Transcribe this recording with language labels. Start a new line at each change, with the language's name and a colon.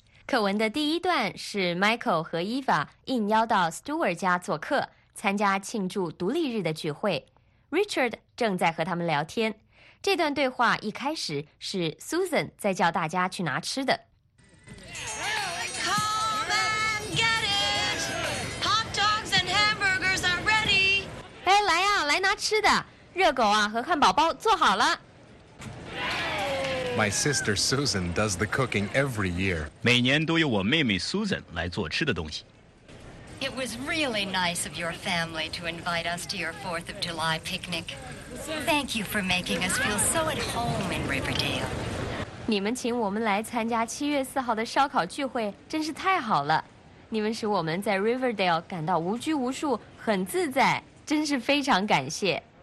Chinese: 课文的第一段是 Michael 和 Eva 应邀到 Stuart 家做客，参加庆祝独立日的聚会。 Richard 正在和他们聊天。这段对话一开始是 Susan 在叫大家去拿吃的。
English: Come and get it! Hot dogs and hamburgers are ready!
Chinese: 哎，来呀，来拿吃的。热狗啊和汉堡包做好了。
English: My sister Susan does the cooking every year.
Chinese: 每年都由我妹妹 Susan 来做吃的东西。
English: It was really nice of your family to invite us to your 4th of July picnic. Thank you for making us feel so at home in Riverdale.
Chinese: 你们请我们来参加7月4号的烧烤聚会真是太好了。你们使我们在 Riverdale 感到无拘无束很自在真是非常感谢。